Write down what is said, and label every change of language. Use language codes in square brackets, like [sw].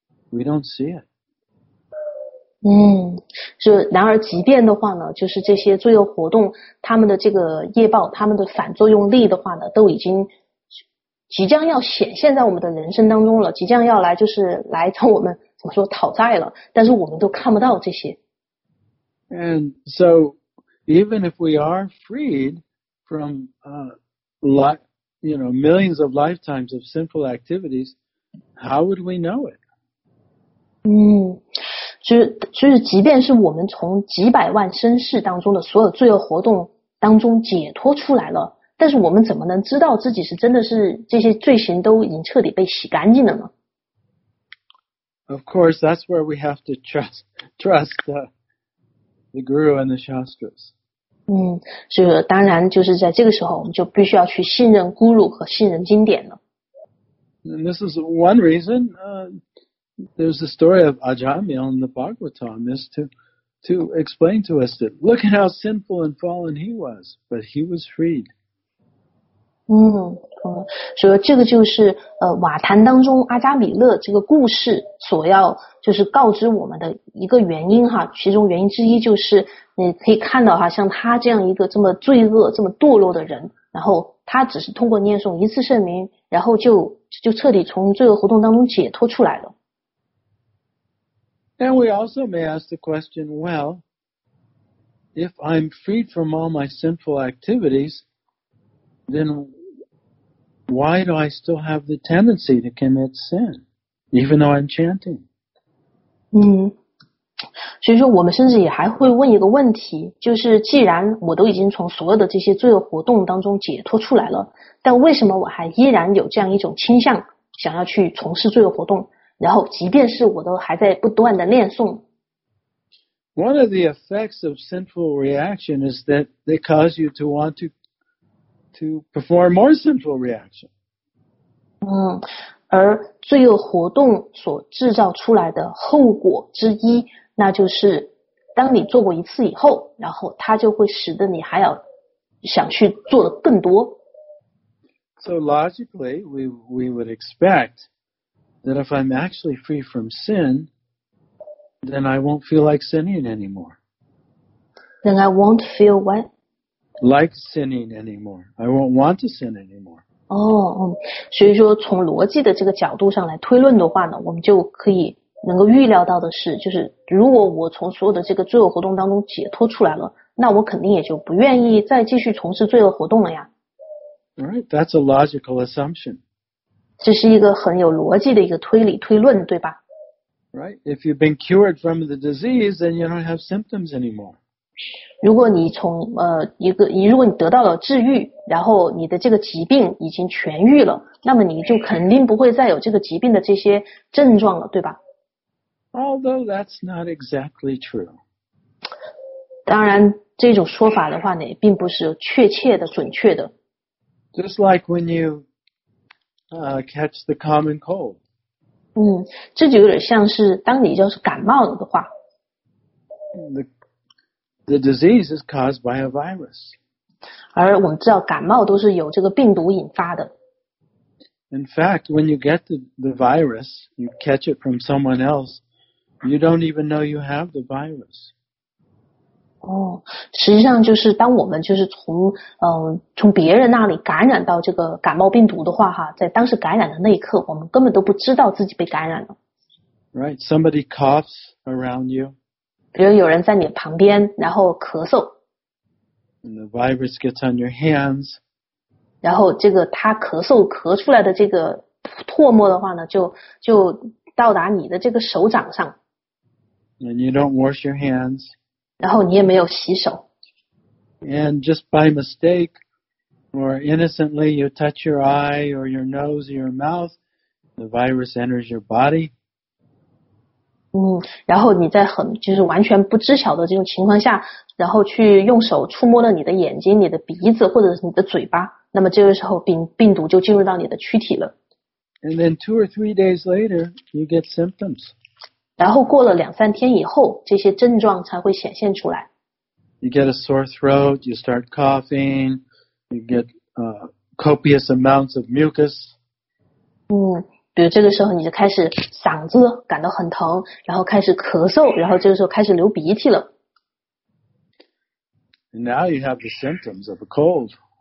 [en] We don't see it. [zh] 然而即便的话呢，就是这些罪恶活动，他们的这个业报，他们的反作用力的话呢，都已经即将要显现在我们的人生当中了，即将要来，就是来找我们，怎么说，讨债了，但是我们都看不到这些。 [en] And so, even if we are freed from, millions of lifetimes of sinful activities, how would we know it? [zh] 就是即便是我们从几百万生世当中的所有罪恶活动当中解脱出来了，但是我们怎么能知道自己是真的是这些罪行都已经彻底被洗干净了呢？ [en] Of course, that's where we have to trust the Guru and the Shastras. [zh] 是当然就是在这个时候我们就必须要去信任 Guru 和信任经典了。 [en] And this is one reason, There's the story of Ajamil in the Bhagavatam is to explain to us that look at how sinful and fallen he was, but he was freed. [zh] 所以这个就是瓦坛当中阿扎米勒这个故事所要就是告知我们的一个原因哈，其中原因之一就是你可以看到哈，像他这样一个这么罪恶这么堕落的人，然后他只是通过念诵一次圣名，然后就彻底从罪恶活动当中解脱出来了。 [en] And we also may ask the question, well, if I'm freed from all my sinful activities, then why do I still have the tendency to commit sin, even though I'm chanting? [zh] 所以说我们甚至也还会问一个问题，就是既然我都已经从所有的这些罪恶活动当中解脱出来了，但为什么我还依然有这样一种倾向，想要去从事罪恶活动，然后即便是我都还在不断的念诵。 [en] One of the effects of sinful reaction is that they cause you to want to perform more sinful reaction. [zh] 而罪恶活动所制造出来的后果之一，那就是当你做过一次以后，然后它就会使得你还要想去做的更多。 [en] So logically, we would expect that if I'm actually free from sin, then I won't feel like sinning anymore. Then I won't feel what? Like sinning anymore. I won't want to sin anymore. [zh] 所以说从逻辑的这个角度上来推论的话呢，我们就可以能够预料到的是，就是如果我从所有的这个罪恶活动当中解脱出来了，那我肯定也就不愿意再继续从事罪恶活动了呀。 [en] Right, that's a logical assumption. [zh] 这是一个很有逻辑的一个推理推论，对吧？ [en] Right, if you've been cured from the disease, then you don't have symptoms anymore. [zh] 如果你从如果你得到了治愈，然后你的这个疾病已经痊愈了，那么你就肯定不会再有这个疾病的这些症状了，对吧？ [en] Although that's not exactly true. [zh] 当然，这种说法的话呢，并不是确切的、准确的。 [en] Just like when you catch the common cold. [zh] 这就有点像是当你要是感冒了的话。 [en] The disease is caused by a virus. [zh] 而我们知道感冒都是由这个病毒引发的。 [en] In fact, when you get the virus, you catch it from someone else, you don't even know you have the virus. [zh] 实际上就是当我们就是从别人那里感染到这个感冒病毒的话哈，在当时感染的那一刻，我们根本都不知道自己被感染了。 [en] Right, somebody coughs around you. [zh] 比如有人在你旁边，然后咳嗽。 [en] And the virus gets on your hands. [zh] 然后这个他咳嗽咳出来的这个唾沫的话呢，就到达你的这个手掌上。 [en] And you don't wash your hands. [zh] 然后你也没有洗手。 [en] And just by mistake, or innocently, you touch your eye, or your nose, or your mouth, the virus enters your body. [zh] 然后你在很，就是完全不知晓的这种情况下，然后去用手触摸了你的眼睛、你的鼻子，或者是你的嘴巴，那么这个时候病毒就进入到你的躯体了。 [en] And then two or three days later, you get symptoms. [zh] 然后过了两三天以后，这些症状才会显现出来。 [en] You get a sore throat, you start coughing, you get copious amounts of mucus. [zh] 比如这个时候你就开始嗓子感到很疼，然后开始咳嗽，然后这个时候开始流鼻涕了。 [en] Now you have the symptoms of a cold.